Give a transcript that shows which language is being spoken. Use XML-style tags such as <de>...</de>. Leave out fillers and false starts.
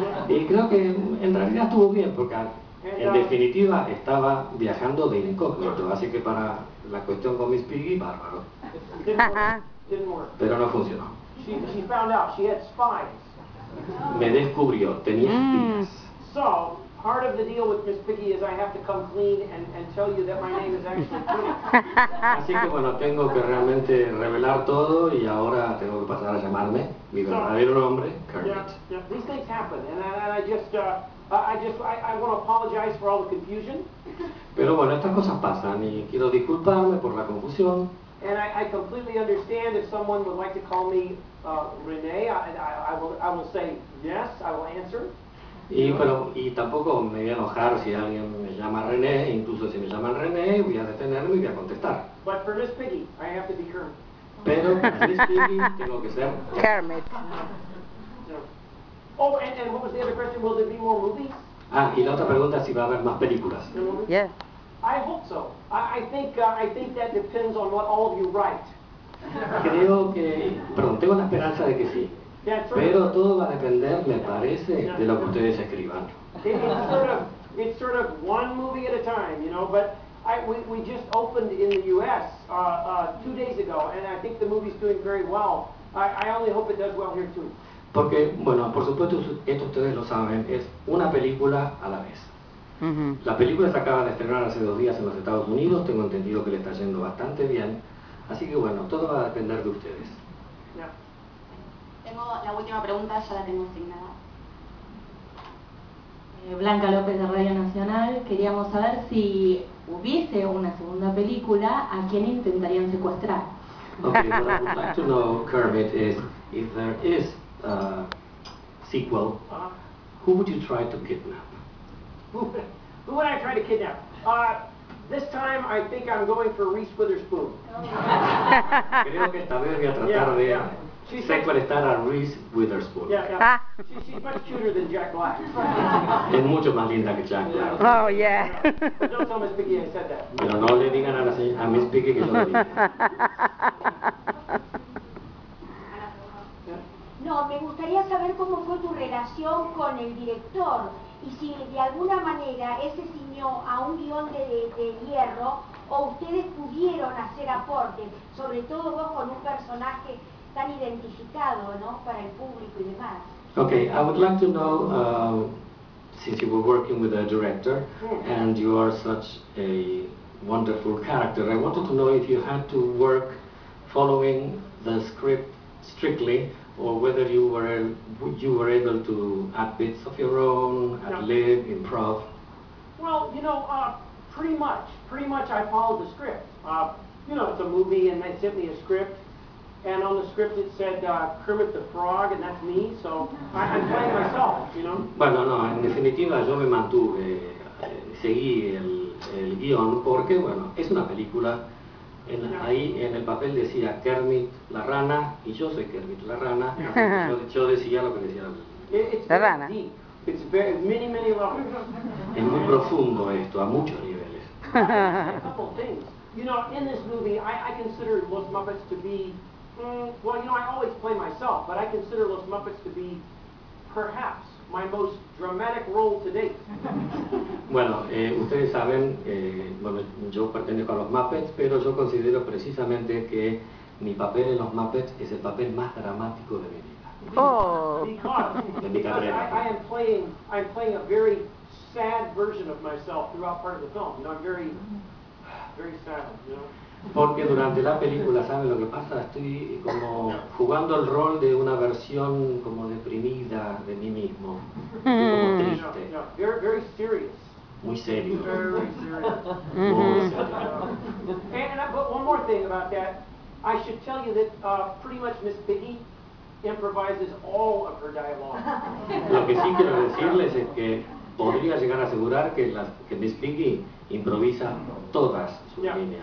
<es>Y creo que en realidad estuvo bien porque en definitiva estaba viajando de incógnito, así que para la cuestión con Miss Piggy, bárbaro.</es> <en>Didn't work.</en> <es>Pero no funcionó.</es> <en>She found out she had spies.</en> <es>Me descubrió, tenía espías.</es> <en>So part of the deal with Miss Piggy is I have to come clean and tell you that my name is actually Piggy.</en> <es>Así que bueno, tengo que realmente revelar todo y ahora tengo que pasar a llamarme mi verdadero nombre, Kermit.</es> <en>Yeah, yeah. These things happen, and I want to apologize for all the confusion.</en> <es>Pero bueno, estas cosas pasan y quiero disculparme por la confusión.</es> <en>And I completely understand if someone would like to call me René. I will say yes. I will answer.</en> <es>Y tampoco me voy a enojar si alguien me llama René, incluso si me llaman René, voy a detenerme y voy a contestar.</es> <en>But for Miss Piggy, I have to be Kermit.</en> <es>Pero Miss Piggy tengo que ser Kermit.</es> <en>Oh, and what was the other question? Will there be more movies?</en> <es>Ah, y la otra pregunta es si va a haber más películas.</es> <en>Yeah. I hope so. I think that depends on what all of you write.</en> <es>Creo que, perdón, tengo la esperanza de que sí.</es> <en>Yeah, right.</en> <es>Pero todo va a depender, me parece, de lo que ustedes escriban.</es> <en>It's sort of one movie at a time, you know. But we just opened in the U.S. 2 days ago, and I think the movie's doing very well. I only hope it does well here too.</en> <es>Porque bueno, por supuesto, esto ustedes lo saben, es una película a la vez. Mm-hmm. La película se acaba de estrenar hace 2 días en los Estados Unidos. Tengo entendido que le está yendo bastante bien. Así que bueno, todo va a depender de ustedes. La última pregunta ya la tengo asignada. Blanca López de Radio Nacional, queríamos saber si hubiese una segunda película, ¿a quién intentarían secuestrar?</es> <en>Okay, what I would like to know, Kermit, is if there is a sequel, who would you try to kidnap? Who would I try to kidnap? This time I think I'm going for Reese Witherspoon.</en> <es>Creo que esta vez voy a tratar de... Secuestrar a Reese Witherspoon.</es> <en>She's much cuter than Jack Black.</en> <es>Es mucho más linda que Jack Black.</es> <en>Oh, yeah. Don't tell Miss Piggy I said that.</en> <es>Pero no le digan a Miss Piggy que yo lo dije. No, me gustaría saber cómo fue tu relación con el director y si de alguna manera ese ciñó a un guión de hierro o ustedes pudieron hacer aportes, sobre todo vos con un personaje tan identificado, ¿no? Para el público y demás.</es> <en>Okay, I would like to know, since you were working with a director and you are such a wonderful character, I wanted to know if you had to work following the script strictly or whether you were able to add bits of your own, ad lib, improv. Well, you know, pretty much I followed the script. You know, it's a movie and they sent me a script. And on the script it said Kermit the Frog, and that's me, so I'm playing myself, you know?</en> <es>Bueno, no, en definitiva yo me mantuve, seguí el guión, porque, bueno, es una película. Ahí en el papel decía Kermit la rana, y yo soy Kermit la rana. Yo decía lo que decía la rana. La rana.</es> <en>It's very, many, many levels.</en> <es>Es muy profundo esto, a muchos niveles.</es> <en>A couple things. You know, in this movie, I consider Los Muppets to be... well, you know, I always play myself, but I consider Los Muppets to be, perhaps, my most dramatic role to date.</en> <es>Bueno, ustedes saben, bueno, yo pertenezco a Los Muppets, pero yo considero precisamente que mi papel en Los Muppets es el papel más dramático de mi vida. Oh!</es> <en>Because I'm playing a very sad version of myself throughout part of the film. You know, I'm very, very sad, you know?</en> <es>Porque durante la película, ¿saben lo que pasa? Estoy como jugando el rol de una versión como deprimida de mí mismo. Como triste.</es> <en>Very, very serious.</en> <es>Muy serio.</es> <en>Very, very serious.</en> <es>Muy serio.</es> <en>But one more thing about that. I should tell you that pretty much Miss Piggy improvises all of her dialogue.</en> <es>Lo que sí quiero decirles es que podría llegar a asegurar que Miss Piggy improvisa todas sus líneas.</es>